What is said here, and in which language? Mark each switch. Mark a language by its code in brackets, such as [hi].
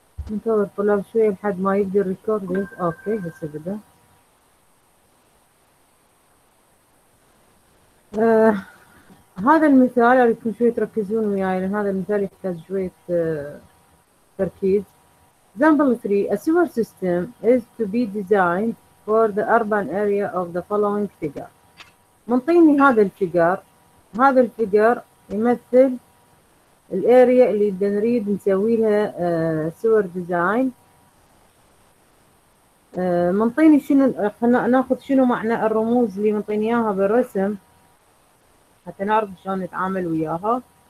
[ar] انتظر طلاب شوية لحد ما يبدأ الريكوردينج. اوكي هسه بدأ. هذا المثال اريدكم شوية تركزون وياي، لان هذا المثال يحتاج شوية تركيز. [en] Example 3: A sewer system is to be designed for the urban area of the following figure. [ar] منطيني هذا الفيجر، هذا الفيجر يمثل الاريا اللي بدنا نريد نسوي لها سور ديزاين. منطيني شنو، ناخذ شنو معنى الرموز اللي منطيني اياها بالرسم حتى نعرف شلون نتعامل وياها.